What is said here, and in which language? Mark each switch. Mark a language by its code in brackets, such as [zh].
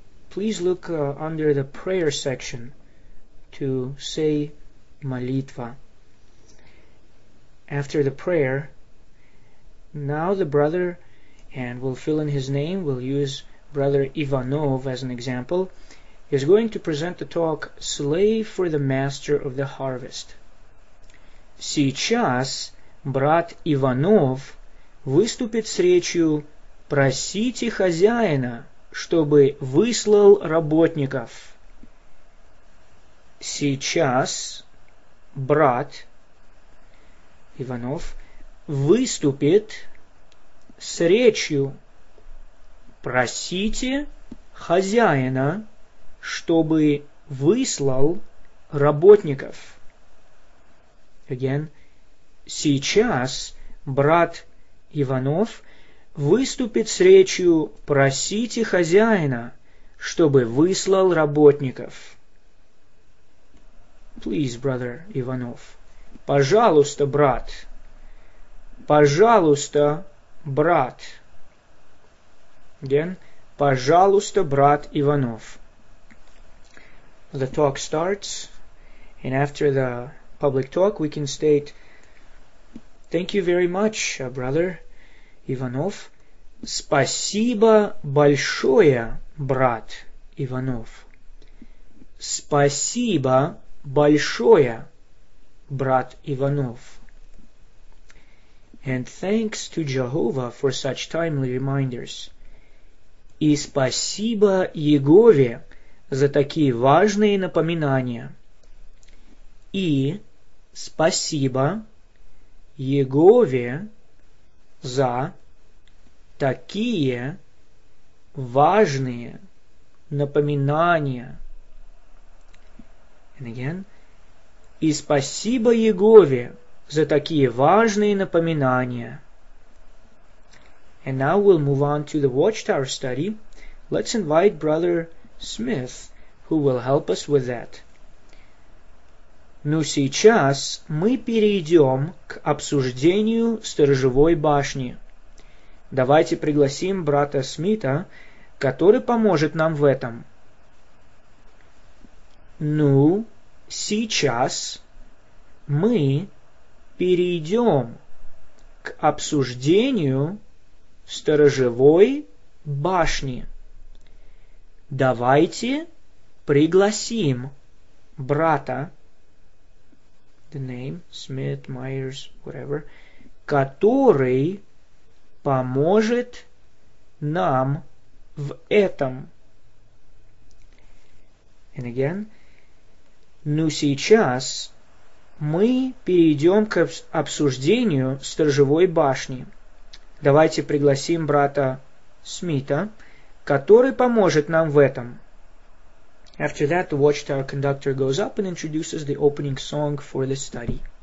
[en] Please look under the prayer section to say молитва. After the prayer, now the brother, and we'll fill in his name, we'll use Brother Ivanov as an example, is going to present the talk Slave for the Master of the Harvest. [ru] Сейчас брат Иванов выступит с речью «Просите хозяина, чтобы выслал работников». Сейчас брат Иванов выступит с речью «Просите хозяина, чтобы выслал работников». [en] Again. [ru] Сейчас брат Иванов выступит с речью «Просите хозяина, чтобы выслал работников». [en] Please, brother Иванов. [ru] Пожалуйста, брат. Пожалуйста, брат. [en] Again. [ru] Пожалуйста, брат Иванов. [en] The talk starts, and after the public talk, we can state, Thank you very much, brother Иванов. [ru] Спасибо большое, брат Иванов. Спасибо большое, брат Иванов. [en] And thanks to Jehovah for such timely reminders. [ru] И спасибо Иегове за такие важные напоминания. И спасибо Иегове за такие важные напоминания. [en] And again. [ru] И спасибо Иегове за такие важные напоминания. [en] And now we'll move on to the Watchtower study. Let's invite Brother Smith, who will help us with that. [ru] Ну, сейчас мы перейдем к обсуждению сторожевой башни. Давайте пригласим брата Смита, который поможет нам в этом. Ну, сейчас мы перейдем к обсуждению сторожевой башни. Давайте пригласим брата, [en] the name, Smith, Myers, whatever, [ru] который поможет нам в этом. [en] And again. [ru] Ну, сейчас мы перейдем к обсуждению сторожевой башни. Давайте пригласим брата Смита, который поможет нам в этом. [en] After that, the Watchtower conductor goes up and introduces the opening song for the study.